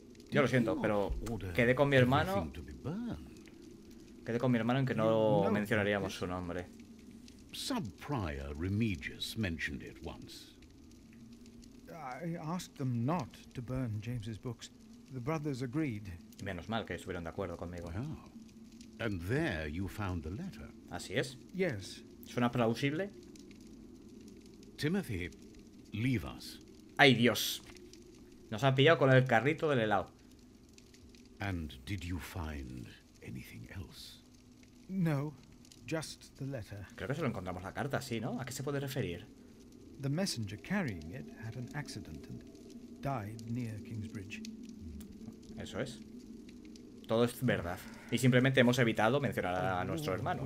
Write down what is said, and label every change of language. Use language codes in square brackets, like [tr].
[es] Yo lo siento, pero quedé con mi hermano. Quedé con mi hermano en que no mencionaríamos su nombre. [en] Subprior Remigius mentioned it once. I asked them not to burn James's books. The brothers agreed. [es] Menos mal que estuvieron de acuerdo conmigo. [en] Well, and there you found the letter. [es] Así es. [en] Yes. [es] ¿Suena plausible? [en] Timothy, leave us. [es] Ay, Dios. Nos ha pillado con el carrito del helado. [en] And did you find anything else? No, just the letter. [es] Creo que solo encontramos la carta, sí, ¿no? ¿A qué se puede referir? [en] The messenger carrying it had an accident and died near Kingsbridge. [es] Eso es. Todo es verdad. Y simplemente hemos evitado mencionar a nuestro hermano.